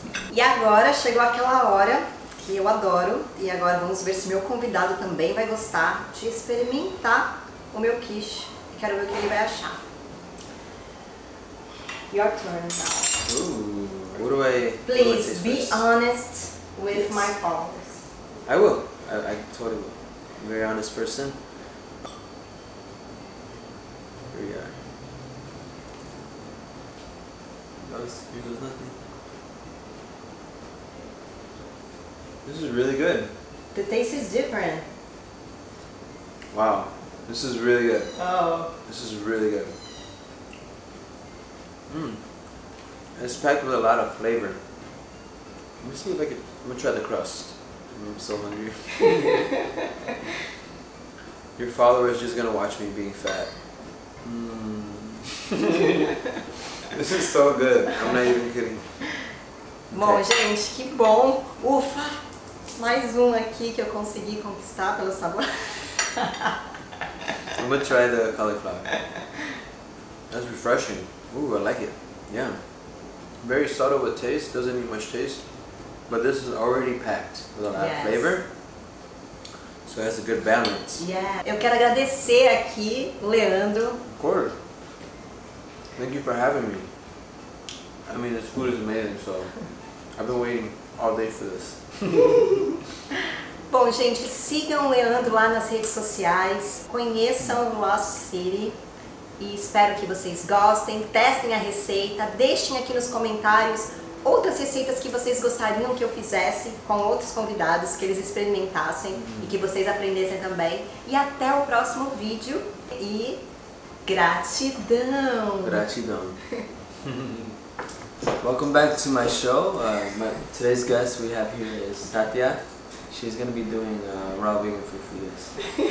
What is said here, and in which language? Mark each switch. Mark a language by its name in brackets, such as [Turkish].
[Portuguese] E agora chegou aquela hora que eu adoro, e agora vamos ver se meu convidado também vai gostar de experimentar o meu quiche. Quero ver o que ele vai achar. [English] Your turn now. Ooh, what do I... Please, be honest with yes. my followers. I will. I totally will. I'm a very honest person. Here we are. It does nothing. This is really good. The taste is different. Wow. This is really good. Oh. This is really good. It's packed with a lot of flavor. Let me see if I can... I'm gonna try the crust. I'm so hungry. Your followers just gonna watch me being fat. This is so good. I'm not even kidding. [Portuguese] Bom, okay. Gente, que bom. Ufa! Mais um aqui que eu consegui conquistar pelo sabor. [English] I'm gonna try the cauliflower. That's refreshing. Ooh, I like it. Yeah. Very subtle with taste, doesn't need much taste. But this is already packed with a lot of flavor. So it has a good balance. Yeah. [Portuguese] Eu quero agradecer aqui, Leandro. [English] Of course. Thank you for having me. I mean, this food is amazing, so I've been waiting all day for this. [Portuguese] Bom, gente, sigam o Leandro lá nas redes sociais. Conheçam o Lost City. E espero que vocês gostem, testem a receita, deixem aqui nos comentários outras receitas que vocês gostariam que eu fizesse com outros convidados, que eles experimentassem e que vocês aprendessem também. E até o próximo vídeo e gratidão! Gratidão! [English] Welcome back to my show. Today's guest we have here is Tatia. She's going to be doing raw vegan food for you.